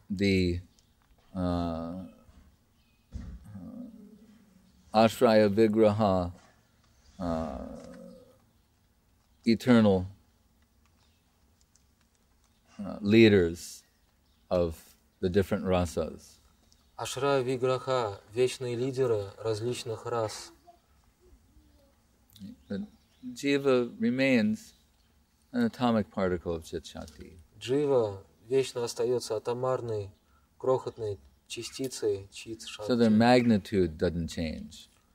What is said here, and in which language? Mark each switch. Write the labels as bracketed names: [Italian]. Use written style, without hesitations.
[English] The Ashraya Vigraha, eternal. Leaders of the different rasas. [Russian] Ашра виграха – вечные лидеры различных рас. [English] Джива remains an atomic particle of Chit-Shakti. [Russian] Джива вечно остается атомарной, крохотной частицей Чит-Шакти. [English] So their magnitude doesn't change.